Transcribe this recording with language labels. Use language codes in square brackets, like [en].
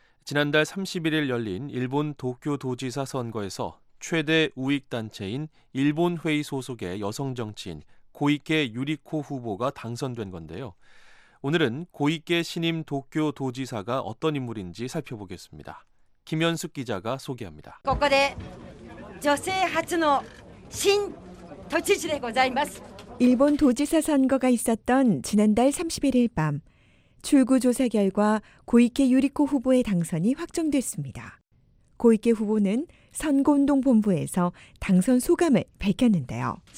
[ko] 지난달 31일 열린 일본 도쿄 도지사 선거에서 최대 우익단체인 일본회의 소속의 여성 정치인 고이케 유리코 후보가 당선된 건데요. 오늘은 고이케 신임 도쿄 도지사가 어떤 인물인지 살펴보겠습니다. 김현숙 기자가 소개합니다. [ja] 고고대 女性初の新都知事でございます。 [ko] 일본 도지사 선거가 있었던 지난달 31일 밤, 출구 조사 결과 고이케 유리코 후보의 당선이 확정됐습니다. 고이케 후보는 선거운동 본부에서 당선 소감을 밝혔는데요.